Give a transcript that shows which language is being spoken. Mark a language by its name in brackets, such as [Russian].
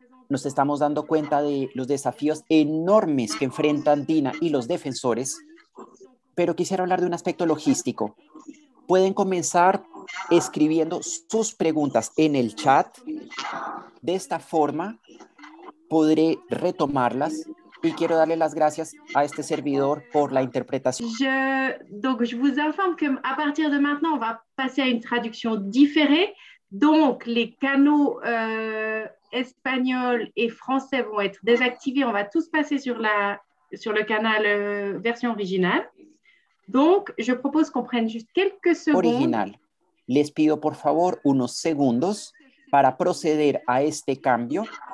[Spanish] Nos estamos dando cuenta de los desafíos enormes que enfrentan Dina y los defensores, pero quisiera hablar de un aspecto logístico. Pueden comenzar escribiendo sus preguntas en el chat. De esta forma podré retomarlas y quiero darle las gracias a este servidor por la interpretación. [French] Je vous informe que a partir de maintenant on va passer a une traducción différée. Donc les canaux espagnol et français vont être désactivés. On va tous passer sur le canal version originale. Donc je propose qu'on prenne juste quelques secondes. Original. [Spanish] Les pido por favor unos segundos para proceder a este cambio.